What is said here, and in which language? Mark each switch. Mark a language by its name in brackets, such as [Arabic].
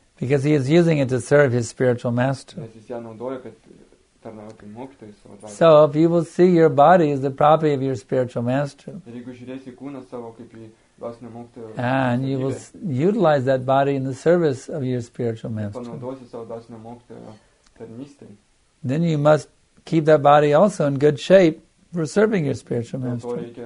[English] Because he is using it to serve his spiritual master. [Lithuanian] Nes jis ją naudoja, kad tarnauti mokytojui savo dvasiai. [English] So if you will see your body as the property of your spiritual master. [Lithuanian] Ir jeigu žiūrėsi kūną savo kaip į dvasinio mokytojo. [English] And [Lithuanian] savybė. [English] You will utilize that body in the service of your spiritual master. [Lithuanian] Panaudosi savo dvasinio mokytojo tarnystę. [English] Then you must keep that body also in good shape for serving your spiritual master.